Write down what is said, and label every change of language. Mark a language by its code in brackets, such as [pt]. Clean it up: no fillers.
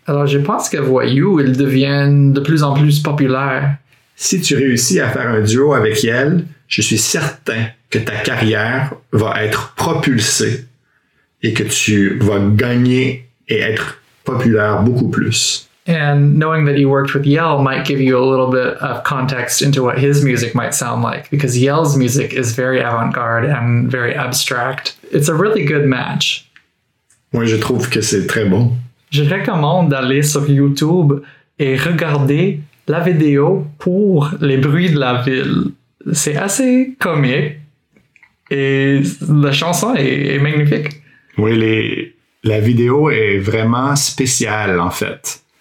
[fr] Alors, je pense que Voyou, ils deviennent de plus en plus populaires. Si tu réussis à faire un duo avec Yel, je suis certain que ta carrière va être propulsée et que tu vas gagner et être populaire beaucoup plus. [en] And knowing that he worked with Yel might give you a little bit of context into what his music might sound like, because Yel's music is very avant-garde and very abstract. It's a really good match. [fr] Moi, je trouve que c'est très bon. Je recommande d'aller sur YouTube et regarder la vidéo pour Les Bruits de la Ville. C'est assez comique et la chanson est magnifique. Oui, la vidéo est vraiment spéciale, en fait.